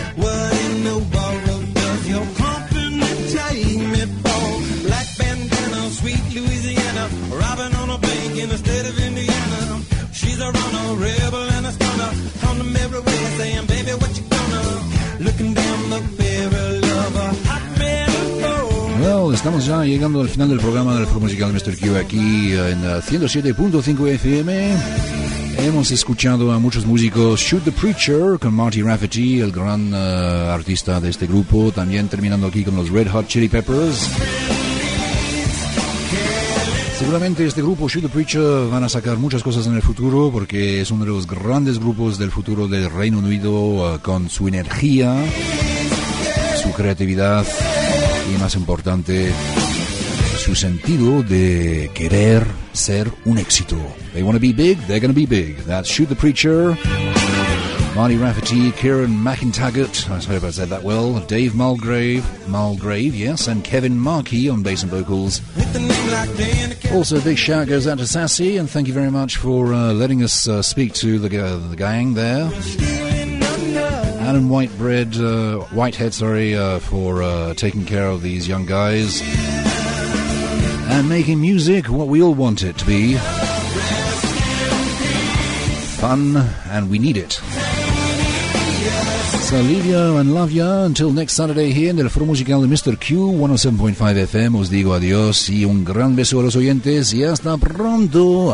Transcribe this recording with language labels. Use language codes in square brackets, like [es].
[en] What in the world does your company take me for? Black bandana, sweet Louisiana, robbing on a bank in the state of Indiana. She's a runner, rebel and a stunner. Come to Mary Wayne saying, baby, what you gonna? Looking down the barrel of a hot man of gold. [es] Well, estamos ya llegando al final del programa del Foro Musical de Mr. Q aquí en 107.5 FM. Hemos escuchado a muchos músicos, Shoot the Preacher con Marty Rafferty, el gran artista de este grupo, también terminando aquí con los Red Hot Chili Peppers. Seguramente este grupo, Shoot the Preacher, van a sacar muchas cosas en el futuro porque es uno de los grandes grupos del futuro del Reino Unido, con su energía, su creatividad. Y más importante, su sentido de querer ser un éxito. [en] They want to be big, they're going to be big. That's Shoot the Preacher, Marty Rafferty, Kieran McIntaggart, I hope I said that well, Dave Mulgrave, yes, and Kevin Markey on bass and vocals. Also, a big shout goes out to Sassy, and thank you very much for letting us speak to the gang there. Adam Whitebread, Whitehead, sorry, for taking care of these young guys and making music what we all want it to be. Fun, and we need it. So leave you and love you until next Saturday here in the Foro Musical de Mr. Q, 107.5 FM. [es] Os digo adiós y un gran beso a los oyentes y hasta pronto.